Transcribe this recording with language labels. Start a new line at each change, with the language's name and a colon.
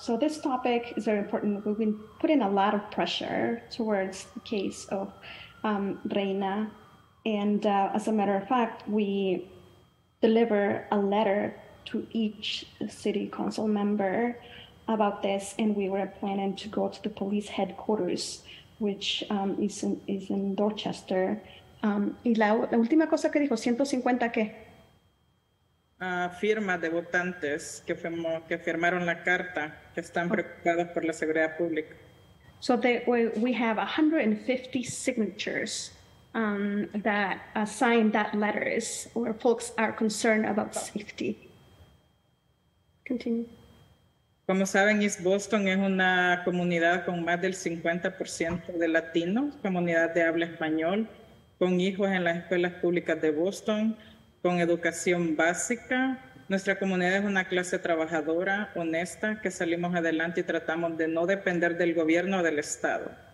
English: So this topic is very important. We've been putting a lot of pressure towards the case of Reina, and as a matter of fact, we deliver a letter to each city council member about this, and we were planning to go to the police headquarters, which is in Dorchester.
Spanish: Y la última cosa que dijo, 150 qué? Firmas de votantes que firmaron la carta, que están preocupados por la seguridad pública.
English: So we have 150 signatures that signed that letter where folks are concerned about safety. Continue.
Spanish: Como saben, East Boston es una comunidad con más del 50% de latinos, comunidad de habla español, con hijos en las escuelas públicas de Boston, con educación básica. Nuestra comunidad es una clase trabajadora, honesta, que salimos adelante y tratamos de no depender del gobierno o del Estado.